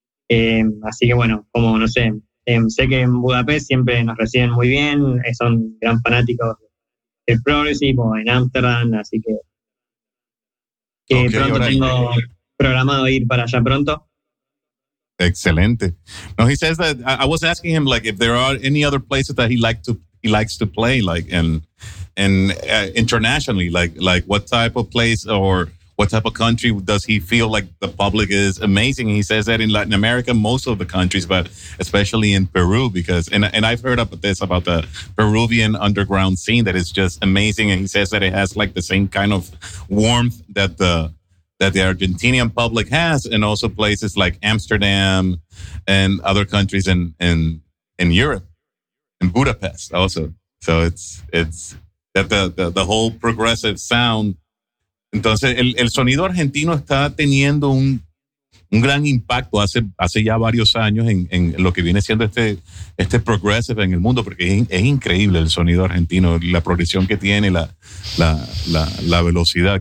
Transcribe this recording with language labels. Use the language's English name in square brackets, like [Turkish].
[Spanish] Así que bueno, como no sé, sé que en Budapest siempre nos reciben muy bien, son gran fanáticos el Progressive o en Amsterdam, así que okay, pronto tengo programado ir para allá pronto. Excelente. [English] No, he says that I was asking him like if there are any other places that he likes to play like and internationally, like what type of place or what type of country does he feel like the public is amazing? He says that in Latin America, most of the countries, but especially in Peru, because, and I've heard about this, about the Peruvian underground scene that is just amazing. And he says that it has like the same kind of warmth that the Argentinian public has, and also places like Amsterdam and other countries in Europe, in Budapest also. So it's that the whole progressive sound. [Spanish] Entonces, el sonido argentino está teniendo un gran impacto hace ya varios años en lo que viene siendo este progressive en el mundo, porque es increíble el sonido argentino, la progresión que tiene, la velocidad.